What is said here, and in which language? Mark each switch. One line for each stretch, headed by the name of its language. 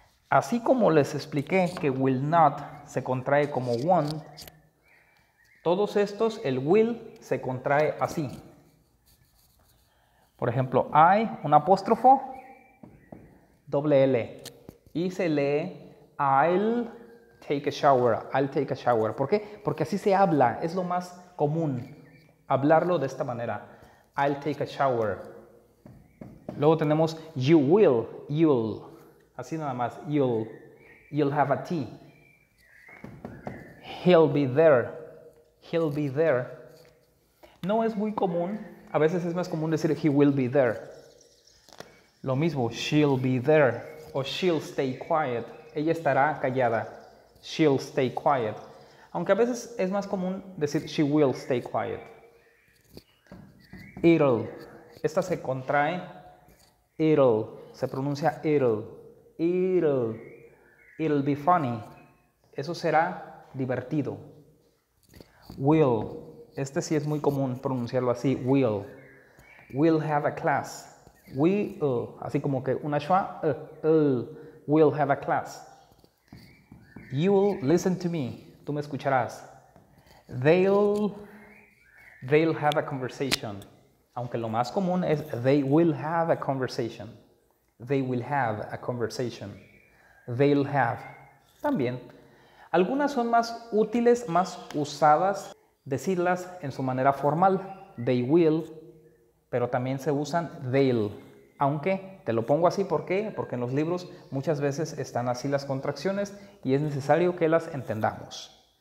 Spanish: Así como les expliqué que will not se contrae como won't, todos estos, el will se contrae así. Por ejemplo, I, un apóstrofo, doble L. Y se lee,
English: I'll take a shower, I'll take a shower.
Spanish: ¿Por qué? Porque así se habla, es lo más común. Hablarlo de esta manera,
English: I'll take a shower.
Spanish: Luego tenemos,
English: you will, you'll.
Spanish: Así nada más,
English: you'll. You'll have a tea. He'll be there, he'll be there.
Spanish: No es muy común. A veces es más común decir,
English: he will be there.
Spanish: Lo mismo,
English: she'll be there. O she'll stay quiet.
Spanish: Ella estará callada.
English: She'll stay quiet.
Spanish: Aunque a veces es más común decir,
English: she will stay quiet.
Spanish: It'll. Esta se contrae. It'll. Se pronuncia
English: it'll. It'll. It'll be funny.
Spanish: Eso será divertido. Will. Este sí es muy común pronunciarlo así, will.
English: We'll have a class. We'll,
Spanish: así como que una schwa,
English: we'll have a class. You'll listen to me,
Spanish: tú me escucharás.
English: They'll have a conversation.
Spanish: Aunque lo más común es
English: they will have a conversation. They will have a conversation. They'll have, también.
Spanish: Algunas son más útiles, más usadas. Decirlas en su manera formal, they will, pero también se usan they'll. Aunque, te lo pongo así, ¿por qué? Porque en los libros muchas veces están así las contracciones y es necesario que las entendamos.